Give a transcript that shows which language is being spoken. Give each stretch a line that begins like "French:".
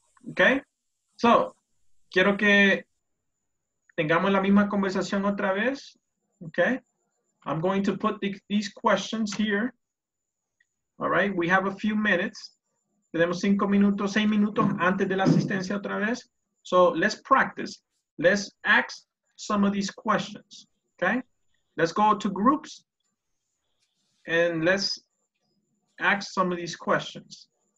Spanish: Okay, so, quiero que tengamos la misma conversación otra vez.
English: Okay, I'm going to put these questions here. All right, we have a few minutes.
Spanish: Tenemos 5 minutos, 6 minutos antes de la asistencia otra vez.
English: So, let's practice. Let's ask some of these questions. Okay. let's go to groups and let's ask some of these questions.